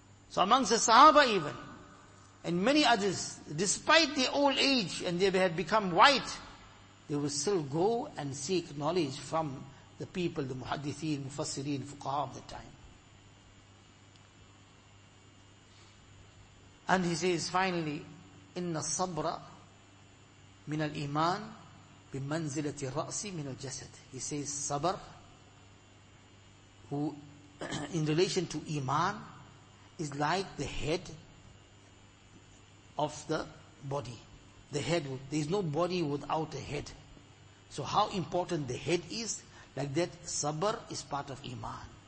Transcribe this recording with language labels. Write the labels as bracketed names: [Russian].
[English] So amongst the Sahaba even, and many others, despite their old age and they had become white, they will still go and seek knowledge from the people, the Muhaddithin, Mufassirin, Fuqaha of the time. And he says, finally, [Arabic] إِنَّ الصَّبْرَ مِنَ الْإِيمَانِ بِمَنْزِلَةِ الرَّأْسِ مِنَ الْجَسَدِ. [English] He says, sabr, who in relation to iman, is like the head of the body. The head, there is no body without a head. So how important the head is, like that, sabr is part of iman.